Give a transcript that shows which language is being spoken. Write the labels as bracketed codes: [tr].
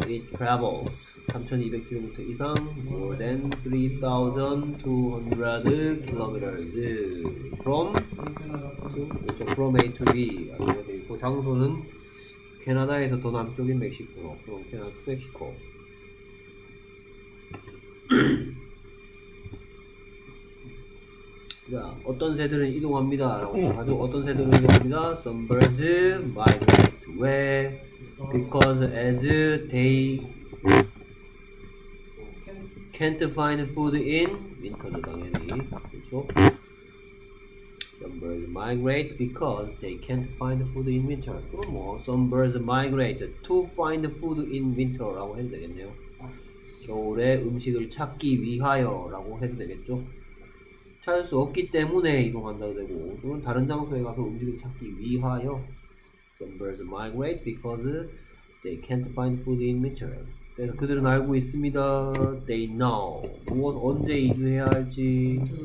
[en] It travels 3200km 이상. More than 3200km from to, from A to B 있고, [ko] 장소는 캐나다에서 더 남쪽인 멕시코로 [en] from Canada to Mexico. [ko] 어떤 새들은 이동합니다 라고 하죠. 어떤 새들은 이동합니다. [en] Some birds migrate. Where? Because as they can't find food in winter. [ko] 당연히 그렇죠. [en] Some birds migrate because they can't find food in winter. 그럼 뭐 some birds migrate to find food in winter [ko] 라고 해도 되겠네요. 겨울에 음식을 찾기 위하여 라고 해도 되겠죠. 찾을 수 없기 때문에 이동한다고 되고, 또는 다른 장소에 가서 음식을 찾기 위하여. [en] Some birds migrate because they can't find food in winter. [ko] 그래서 그들은 알고 있습니다. [en] They know. [ko] 무엇, 언제 이주해야 할지.